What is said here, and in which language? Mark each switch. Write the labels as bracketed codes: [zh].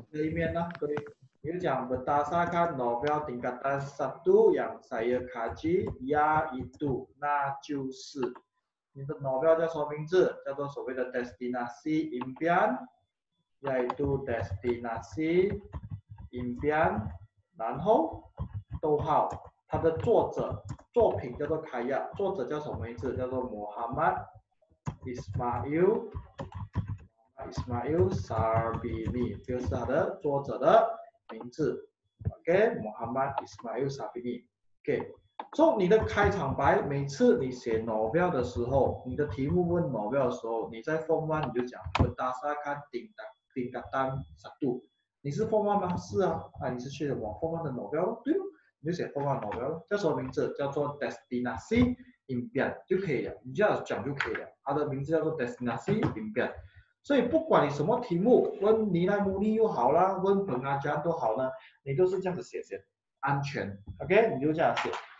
[zh] 这一面呢，对，你讲 [ms] berdasarkan novel tingkatan satu yang saya kaji， yaitu， [zh] 那就是你的 novel 叫什么名字，叫做所谓的 destinasi impian， yaitu destinasi impian， 然后逗号，他的作者作品叫做凯亚，作者叫什么名字？叫做 Muhammad Ismail Sarbini， 就是他的作者的名字。OK， Muhammad Ismail Sarbini。OK， [en] Okay. So, [zh] 你的开场白，每次你写 novel 的时候，你的题目问 novel 的时候，你在 form one 你就讲 [ms] berdasarkan tingkatan satu， [zh] 你是 [en] form one [zh] 吗？是啊，啊，你是去的往 form one 的 novel 咯，对吗？你就写 form one novel 咯，叫什么名字？叫做 destinasi impian 就可以了，你这样讲就可以了。它的名字叫做 destinasi impian，所以不管你什么题目，问 Nina Muni 又好啦，问 Pengajian 都好呢，你都是这样子写，安全。OK， 你就这样写。